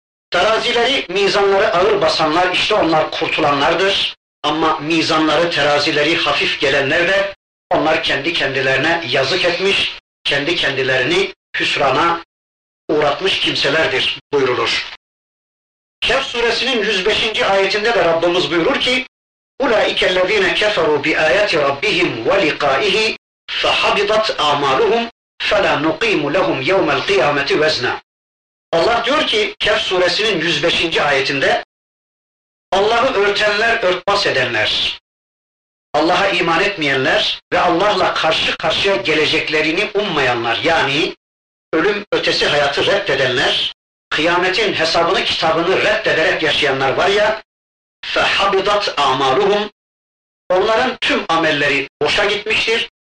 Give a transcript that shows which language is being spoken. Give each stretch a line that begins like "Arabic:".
Turkish: Terazileri, mizanları ağır basanlar, işte onlar kurtulanlardır. Ama mizanları, terazileri hafif gelenler de, onlar kendi kendilerine yazık etmiş, kendi kendilerini hüsrana uğratmış kimselerdir buyurulur. Kehf suresinin 105.
Arabic: ayetinde de Rabbimiz buyurur ki, اُولَٰئِكَ الَّذ۪ينَ كَفَرُوا بِآيَاتِ رَبِّهِمْ وَلِقَائِهِ فَحَبِضَتْ اَعْمَالُهُمْ فَلَا نُقِيمُ لَهُمْ يَوْمَ الْقِيَامَةِ وَزْنًا.
Turkish: Allah diyor ki Kehf suresinin 105. ayetinde, Allah'ı örtenler, örtbas edenler, Allah'a iman etmeyenler ve Allah'la karşı karşıya geleceklerini ummayanlar, yani ölüm ötesi hayatı reddedenler, kıyametin hesabını kitabını reddederek yaşayanlar var ya,
Arabic: فَحَبِضَتْ اَعْمَالُهُمْ,
Turkish: onların tüm amelleri boşa gitmiştir.